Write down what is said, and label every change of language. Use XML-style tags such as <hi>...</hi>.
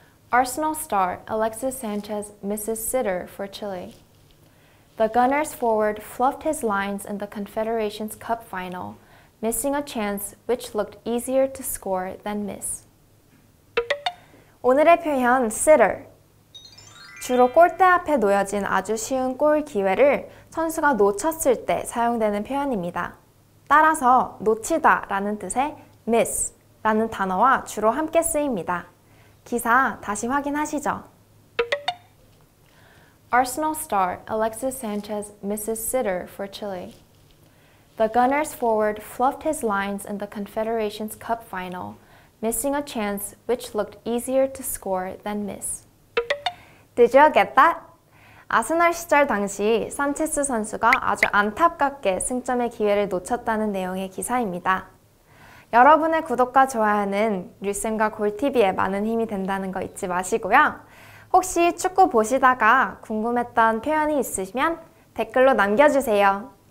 <en>아스널 스타 Alexis Sanchez misses sitter for Chile. The Gunners forward fluffed his lines in the Confederations Cup final, missing a chance which looked easier to score than miss.</en> <ko>오늘의 표현, sitter. 주로 골대 앞에 놓여진 아주 쉬운 골 기회를 선수가 놓쳤을 때 사용되는 표현입니다. 따라서 놓치다 라는 뜻의 miss 라는 단어와 주로 함께 쓰입니다. 기사 다시 확인하시죠.</ko> <en>Arsenal star Alexis Sanchez misses sitter for Chile. The Gunners forward fluffed his lines in the Confederations Cup final, missing a chance which looked easier to score than miss. Did you get that?</en> <ko>아스널 시절 당시 산체스 선수가 아주 안타깝게 승점의 기회를 놓쳤다는 내용의 기사입니다. 여러분의 구독과 좋아요는 류쌤과 골TV에 많은 힘이 된다는 거 잊지 마시고요. 혹시 축구 보시다가 궁금했던 표현이 있으시면 댓글로 남겨주세요.</ko>